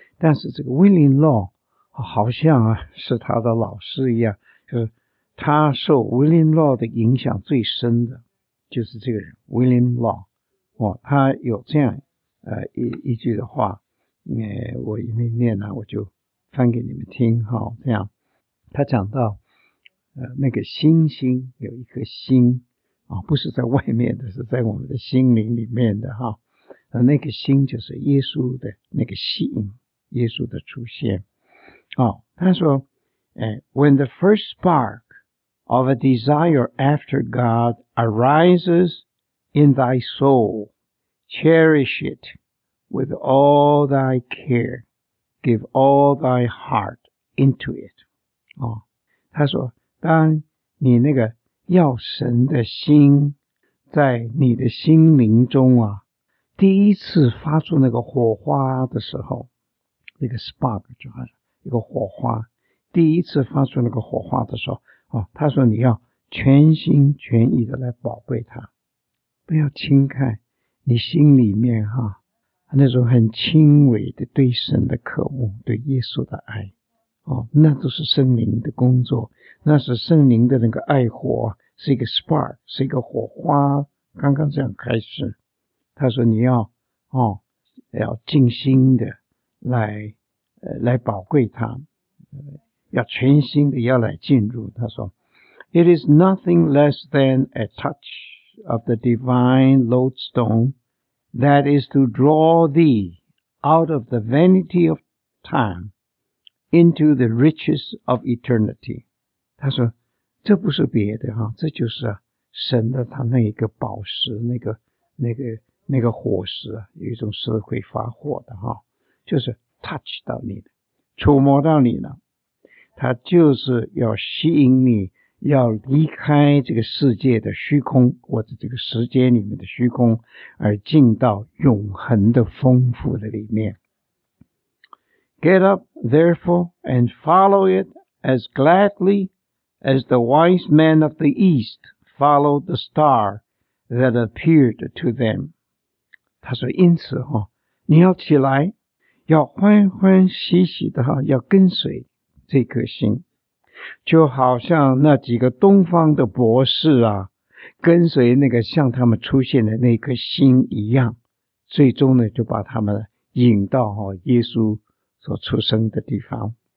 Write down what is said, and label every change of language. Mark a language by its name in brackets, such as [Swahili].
[Chinese] 但是这个 William Law 好像啊是他的老师一样，就是他受 William Law 的影响最深的就是这个人 William Law、哦、他有这样一句的话，我一面念呢，我就翻给你们听哈、哦。这样，他讲到那个星星有一颗心啊、哦，不是在外面的，是在我们的心灵里面的哈。那个心就是耶稣的那个吸引，耶稣的出现。哦，他说， [English] When the first spark of a desire after God arises in thy soul, cherish it with all thy care, give all thy heart into it. [Chinese] 哦，他说，当你那个要神的心在你的心灵中啊第一次发出那个火花的时候，那个 spark 就好像一个火花，第一次发出那个火花的时候、哦、他说你要全心全意的来宝贝它，不要轻看你心里面哈、啊、那种很轻微的对神的渴慕，对耶稣的爱、哦、那都是圣灵的工作，那是圣灵的那个爱火，是一个 spark， 是一个火花，刚刚这样开始。他说你要哦，要尽心的来宝贵它，要全心的要来进入。他说 [English] It is nothing less than a touch of the divine lodestone that is to draw thee out of the vanity of time into the riches of eternity. [Chinese] 他说这不是别的哈，这就是神的他那一个宝石，那个火石啊，有一种石会发火的哈，就是 touch 到你的，触摸到你了，它就是要吸引你，要离开这个世界的虚空，或者这个时间里面的虚空，而进到永恒的丰富的里面。 [English] Get up, therefore, and follow it as gladly as the wise men of the east followed the star that appeared to them. [Chinese] 他说因此、哦、你要起来，要欢欢喜喜的要跟随这颗心，就好像那几个东方的博士啊，跟随那个向他们出现的那颗心一样，最终呢就把他们引到、哦、耶稣所出生的地方。